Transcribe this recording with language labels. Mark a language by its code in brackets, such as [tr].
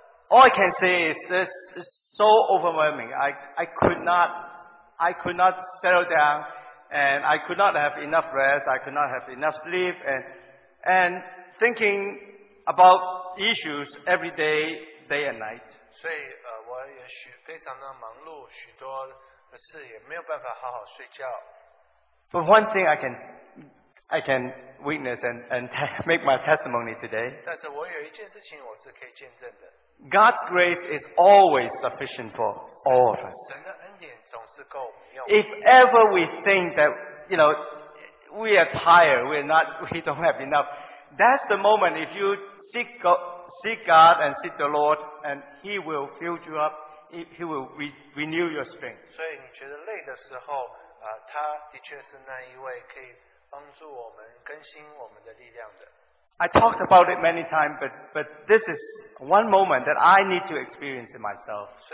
[en] All I can say is this is so overwhelming. I could not settle down, and I could not have enough rest, I could not have enough sleep, and thinking about issues every day and night. [zh] 所以我也许非常的忙碌，许多的事也没有办法好好睡觉。 [en] But one thing I can witness and make my testimony today. [zh] 但是我有一件事情我是可以见证的。 [en] God's grace is always sufficient for all of us. [zh] 神的恩典总是够我们用。 [en] If ever we think that, we are tired, we don't have enough. That's the moment if you seek God and seek the Lord, and He will fill you up, He will renew your strength. [zh] 所以你觉得累的时候, 他的确是那一位可以帮助我们更新我们的力量的。 [en] I talked about it many times, but this is one moment that I need to experience it myself.